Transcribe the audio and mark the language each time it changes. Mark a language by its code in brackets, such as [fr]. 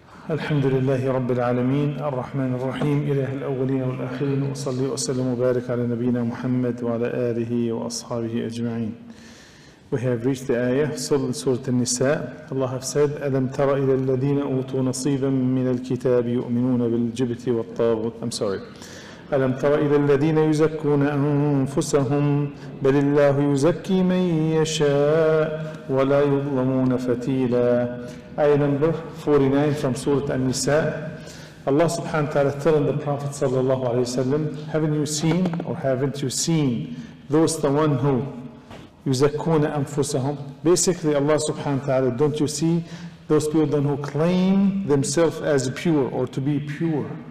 [ar] الحمد لله رب العالمين، الرحمن الرحيم، إله الأولين والآخرين، وصلي وسلم وبارك على نبينا محمد وعلى آله وأصحابه أجمعين. [en] We have reached the ayah of Surah An-Nisa'. Allah has said, [ar] أَلَمْ تَرَ إِلَى الَّذِينَ أُوتُوا نَصِيبًا مِنَ الْكِتَابِ يُؤْمِنُونَ بِالْجِبْتِ وَالطَّاغُوتِ [en] I'm sorry. [ar] أَلَمْ تَرَ إِلَى الَّذِينَ يُزَكُّونَ أَنفُسَهُمْ بَلِ اللَّهُ يُزَكِّي مَن يَشَاءُ وَلَا يُظْلَمُونَ فَتِيلًا [en] Ayah number 49 from Surah An-Nisa. Allah subhanahu wa ta'ala telling the Prophet sallallahu alayhi wa sallam, haven't you seen or haven't you seen those the one who [ar] يُزَكُّونَ أَنفُسَهُمْ [en] Basically Allah subhanahu wa ta'ala, don't you see those people then who claim themselves as pure or to be pure.